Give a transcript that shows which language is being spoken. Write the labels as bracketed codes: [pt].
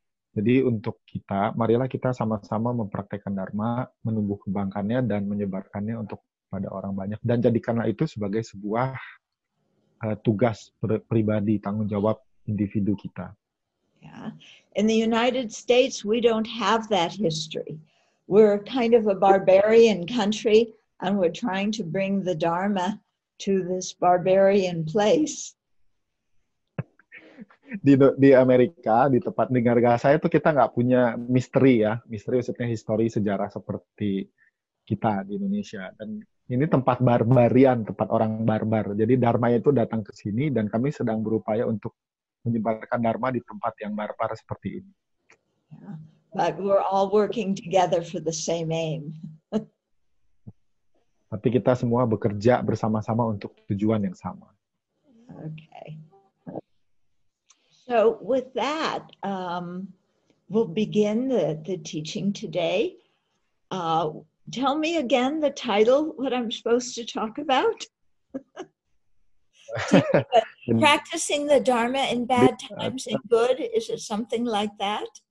[id] Jadi untuk kita, marilah kita sama-sama mempraktikkan Dharma, menumbuh kembangkannya, dan menyebarkannya untuk pada orang banyak. Dan jadikanlah itu sebagai sebuah tugas pribadi, tanggung jawab individu kita. [en] Yeah. In the United States, we don't have that history. We're kind of a barbarian country, and we're trying to bring the Dharma to this barbarian place. [id] Di Amerika, di tempat negara saya itu, kita nggak punya misteri ya. Misteri maksudnya histori, sejarah seperti kita di Indonesia. Dan ini tempat [en] barbarian, [id] tempat orang barbar. Jadi Dharma itu datang ke sini dan kami sedang berupaya untuk menyebarkan Dharma di tempat yang barbar seperti ini. [en] Yeah. But we're all working together for the same aim. [id] Tapi kita semua bekerja bersama-sama untuk tujuan yang sama. [en] Okay. So with that, we'll begin the teaching today. Tell me again the title, what I'm supposed to talk about. Practicing the Dharma in bad times and good, is it something like that?